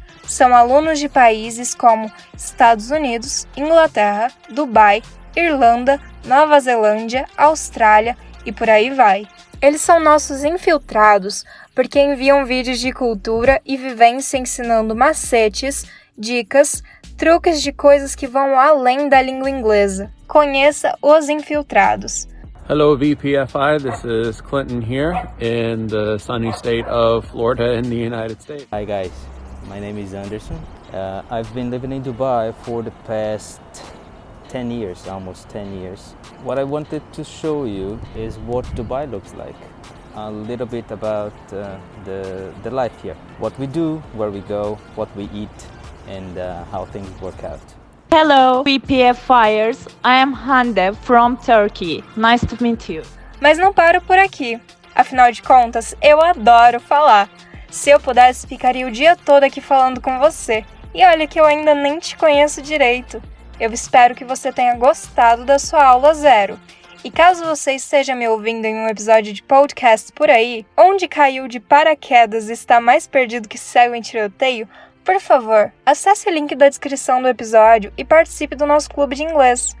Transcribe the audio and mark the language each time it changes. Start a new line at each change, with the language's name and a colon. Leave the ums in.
Portuguese: São alunos de países como Estados Unidos, Inglaterra, Dubai, Irlanda, Nova Zelândia, Austrália e por aí vai. Eles são nossos infiltrados porque enviam vídeos de cultura e vivência ensinando macetes, dicas, truques de coisas que vão além da língua inglesa. Conheça os infiltrados.
English: Hello VPFI, this is Clinton here in the sunny state of Florida in the United States. Hi guys, my name is Anderson. Uh, I've been living in Dubai for the past 10 years, almost 10 years. What I wanted to show you is what Dubai looks like. A little bit about uh, the, the life here. What we do, where we go, what we eat, and uh, how things work out. Hello, PPF Fires. I am Hande from Turkey. Nice to
Portuguese: Mas não paro por aqui. Afinal de contas, eu adoro falar. Se eu pudesse, ficaria o dia todo aqui falando com você. E olha que eu ainda nem te conheço direito. Eu espero que você tenha gostado da sua aula zero. E caso você esteja me ouvindo em um episódio de podcast por aí, onde caiu de paraquedas e está mais perdido que segue em tiroteio, por favor, acesse o link da descrição do episódio e participe do nosso clube de inglês.